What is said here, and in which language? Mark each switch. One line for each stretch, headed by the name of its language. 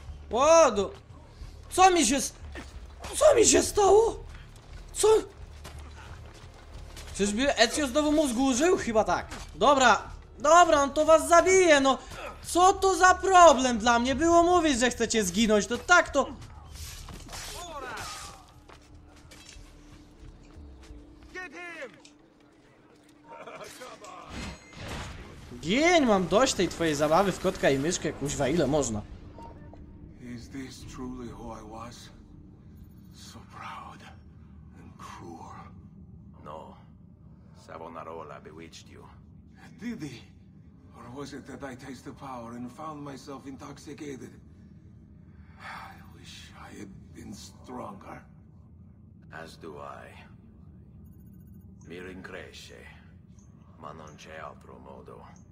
Polish: Ładu! Co mi się stało? Co? Czyżby Ezio znowu mózgu użył? Chyba tak. Dobra, on to was zabije, no. Co to za problem dla mnie było mówić, że chcecie zginąć, to tak to... Gień, mam dość tej twojej zabawy w kotka i myszkę, kuźwa, ile można.
English: Is this truly who I was? So proud and cruel. No. Savonarola bewitched you. Did he? Or was it that I tasted power and found myself intoxicated? I wish I had been stronger. As do I.
Italian: Mi rincresce, ma non c'è altro modo.